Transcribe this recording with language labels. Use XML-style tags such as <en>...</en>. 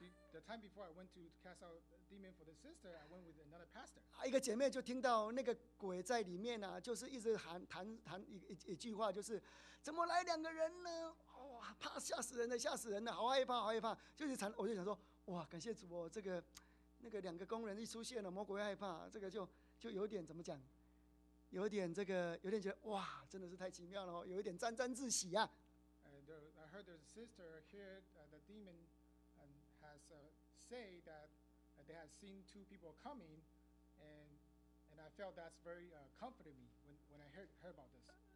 <en>The time before I went to cast out demon for the sister, I went with another pastor.</en> <zh>一个姐妹就听到那个鬼在里面呢、啊，就是一直谈一句话，就是怎么来两个人呢？哇、哦，怕吓死人了，吓死人了，好害怕，好害怕。就是我就想说，哇，感谢主哦，这个那个两个工人一出现了，魔鬼害怕，这个就有点怎么讲，有点这个有点觉得哇，真的是太奇妙了，有一点沾沾自喜啊。</zh> <en>I heard there's a sister here, the demon has said that they had seen two people coming, and I felt that's very comforted me when I heard about this.</en>